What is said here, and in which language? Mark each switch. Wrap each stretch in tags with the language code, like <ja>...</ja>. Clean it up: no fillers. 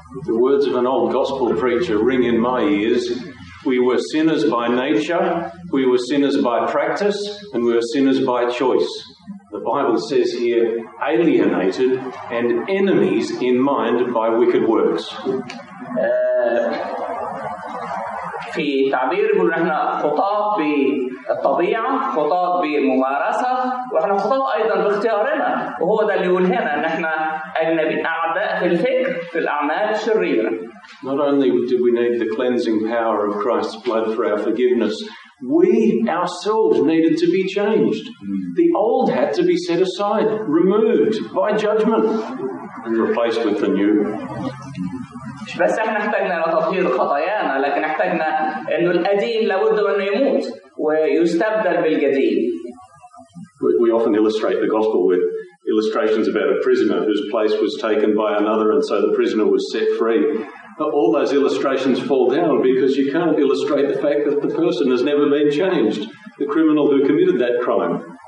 <en>The words of an old gospel preacher ring in my ears. We were sinners by nature, we were sinners by practice, and we were sinners by choice. The Bible says here, alienated and enemies in mind by wicked works.</en> <ar>في تعبير يقول احنا خطاة بالطبيعة، خطاة بالممارسة، واحنا خطاة ايضا باختيارنا، وهو ده اللي يقول هنا ان احنا اجنبي اعداء في الفكر في الاعمال الشريرة.</ar> <en>Not only do we need the cleansing power of Christ's blood for our forgiveness, we ourselves needed to be changed. The old had to be set aside, removed by judgment, and replaced with the new.</en> <ar>بس احنا احتاجنا لتطهير خطايانا لكن احتاجنا انه القديم لابد انه يموت ويستبدل بالجديد.</ar> <en>We often illustrate the gospel with illustrations about a prisoner whose place was taken by another and so the prisoner was set free. But all those illustrations fall down because you can't illustrate the fact that the person has never been changed, the criminal who committed that crime.</en>